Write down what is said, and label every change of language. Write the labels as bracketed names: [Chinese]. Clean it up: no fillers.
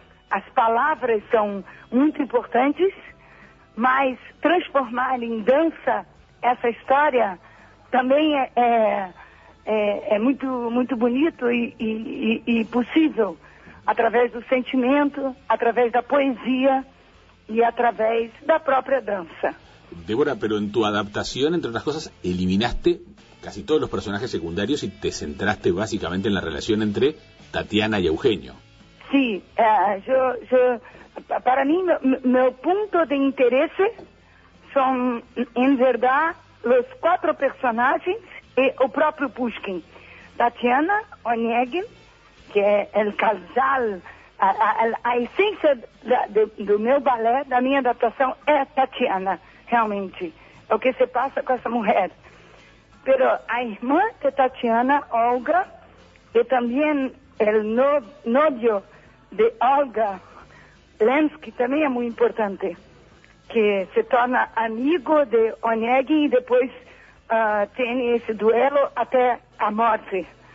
[Portuguese] As palavras são muito importantes, mas transformar em dança essa história também é muito, muito bonito e possível, através do sentimento, através da poesia e através da própria dança. [Spanish] Débora, pero en tu adaptación, entre otras cosas, eliminaste casi todos los personajes secundarios y te centraste básicamente en la relación entre Tatiana y Eugenio. Sí, yo para mí, mi punto de interés son, en verdad, los cuatro personajes y el propio Pushkin. Tatiana Onieguin, que es el casal, la esencia de mi ballet, de mi adaptación, es Tatiana. [Portuguese] Realmente, é o que se passa com essa mulher. Pero a irmã de Tatiana, Olga, e também o novio de Olga, Lenski, também é muito importante, que se torna amigo de Onieguin e depois tem esse duelo até a morte.